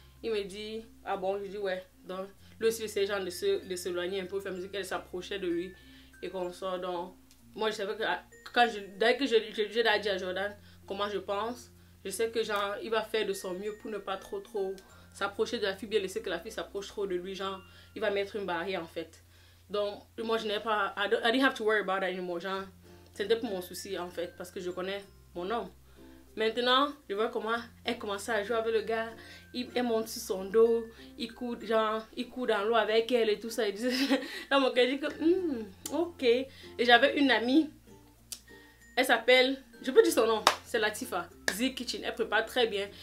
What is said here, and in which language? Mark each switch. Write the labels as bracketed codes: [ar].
[fr] Il me dit, ah bon, je dis ouais. Donc, lui aussi, c'est genre de s'éloigner un peu, faire musique, elle s'approchait de lui et qu'on sort. Donc, moi, je savais que dès que je l'ai dit à Jordan comment je pense, je sais que genre, il va faire de son mieux pour ne pas trop s'approcher de la fille, bien laisser que la fille s'approche trop de lui. Genre, il va mettre une barrière en fait. Donc, moi, je n'ai pas, [en] I didn't have to worry about that anymore. [fr] Genre, c'était pour mon souci en fait, parce que je connais mon homme. Maintenant, je vois comment elle commence à jouer avec le gars. Elle monte sur son dos. Il court dans l'eau avec elle et tout ça. Là, mon gars dit que, ok. Et j'avais une amie. Elle s'appelle, je peux dire son nom, c'est Latifa. Z Kitchen. Elle prépare très bien.